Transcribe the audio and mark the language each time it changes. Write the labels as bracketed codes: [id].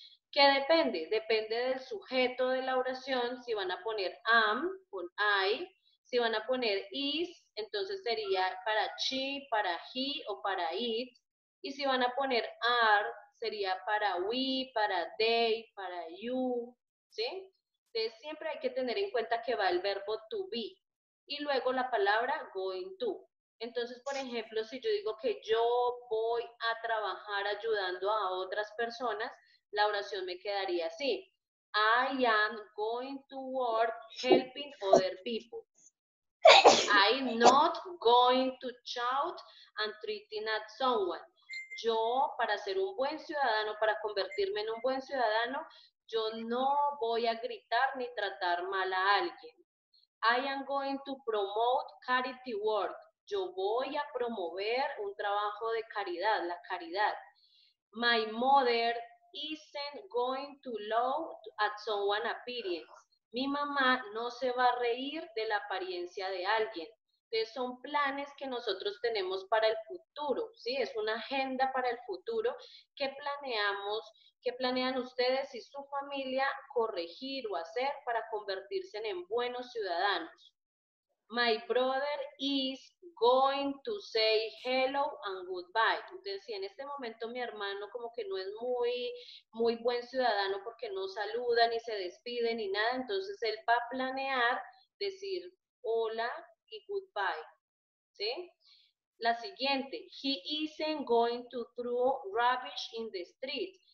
[es] ¿Qué depende? Depende del sujeto de la oración, si van a poner am, con I, si van a poner is, entonces sería para she, para he o para it, y si van a poner are, sería para we, para they, para you, ¿sí? Entonces siempre hay que tener en cuenta que va el verbo to be, y luego la palabra going to. Entonces, por ejemplo, si yo digo que yo voy a trabajar ayudando a otras personas, la oración me quedaría así. [en] I am going to work helping other people. I'm not going to shout and treating at someone. [es] Yo, para ser un buen ciudadano, para convertirme en un buen ciudadano, yo no voy a gritar ni tratar mal a alguien. [en] I am going to promote charity work. [es] Yo voy a promover un trabajo de caridad, la caridad. [en] My mother isn't going to laugh at someone's appearance. [es] Mi mamá no se va a reír de la apariencia de alguien. Entonces son planes que nosotros tenemos para el futuro, ¿sí? Es una agenda para el futuro que planeamos, que planean ustedes y su familia corregir o hacer para convertirse en buenos ciudadanos. [en] My brother is going to say hello and goodbye. [es] Entonces, si en este momento mi hermano como que no es muy, muy buen ciudadano porque no saluda ni se despide ni nada, entonces él va a planear decir hola y goodbye, ¿sí? La siguiente, [en] he isn't going to throw rubbish in the street.